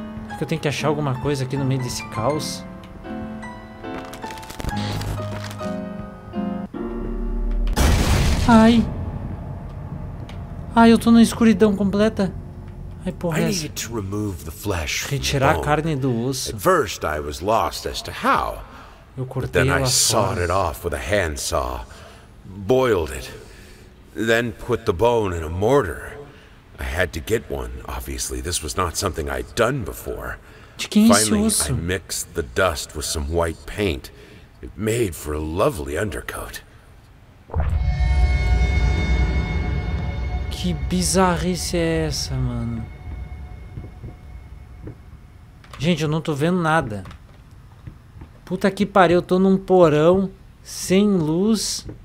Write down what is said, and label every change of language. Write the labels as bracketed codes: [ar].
[pt] É que eu tenho que achar alguma coisa aqui no meio desse caos. Ai. Ai, eu tô na escuridão completa. Ai, porra, essa. Retirar a carne do osso. [en] At first I was lost as to how. [pt] Eu cortei ela. [en] Then I sawed it off with a handsaw, boiled it, then put the bone in a mortar. I had to get one, obviously. This was not something I'd done before. [pt] De quem é esse osso? [en] Finally, I mixed the dust with some white paint. It made for a lovely undercoat. [pt] Que bizarrice é essa, mano? Gente, eu não tô vendo nada. Puta que pariu, eu tô num porão sem luz.